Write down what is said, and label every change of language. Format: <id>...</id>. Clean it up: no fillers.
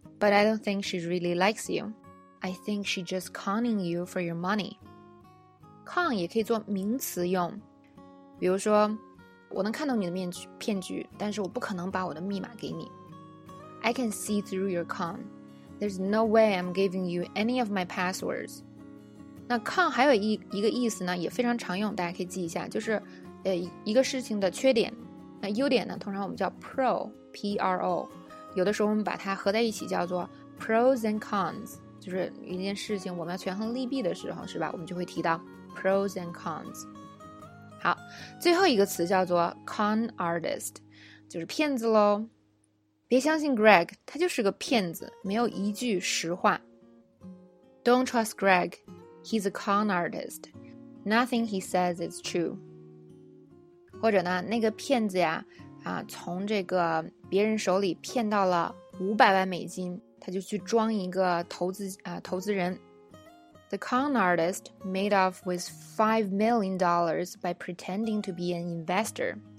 <en>But I don't think she really likes you. I think she's just conning you for your money.</en> <zh>Con 也可以做名词用。比如说，我能看到你的骗局，但是我不可能把我的密码给你。</zh> <en>I can see through your con. There's no way I'm giving you any of my passwords.</en> <zh>那 con 还有一个意思呢，也非常常用，大家可以记一下，就是一个事情的缺点。那优点呢，通常我们叫 pro, P-R-O。有的时候我们把它合在一起叫做 pros and cons, 就是一件事情我们要权衡利弊的时候，是吧？我们就会提到 pros and cons。好，最后一个词叫做 con artist, 就是骗子咯。别相信 Greg, 他就是个骗子，没有一句实话。</zh> <en>Don't trust Greg, he's a con artist. Nothing he says is true.</en> <zh>或者呢，那个骗子呀，从这个别人手里骗到了$5,000,000，他就去装一个投资人。</zh> <en>The con artist made off with $5,000,000 by pretending to be an investor.</en>